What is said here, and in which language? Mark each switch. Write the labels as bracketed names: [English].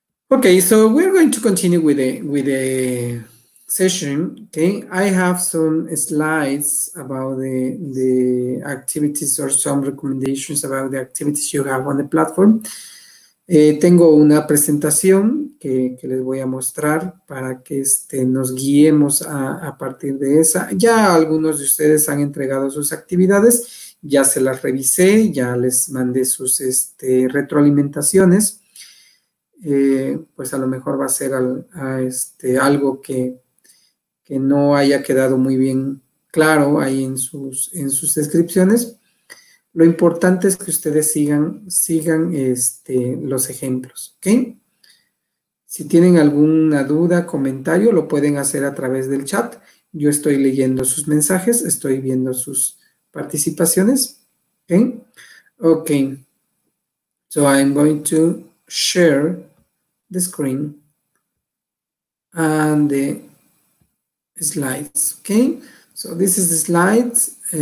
[English] Okay, so we're going to continue with the session. Okay, I have some slides about the activities or some recommendations about the activities you have on the platform. [Spanish] Tengo una presentación que les voy a mostrar para que nos guiemos a partir de esa. Ya algunos de ustedes han entregado sus actividades, ya se las revisé, ya les mandé sus retroalimentaciones. Pues a lo mejor va a ser algo que no haya quedado muy bien claro ahí en sus descripciones. Lo importante es que ustedes sigan los ejemplos, ¿okay? Si tienen alguna duda, comentario, lo pueden hacer a través del chat. Yo estoy leyendo sus mensajes, estoy viendo sus participaciones, ¿okay? [English] Okay. So I'm going to share the screen and the slides. Okay, so this is the slides.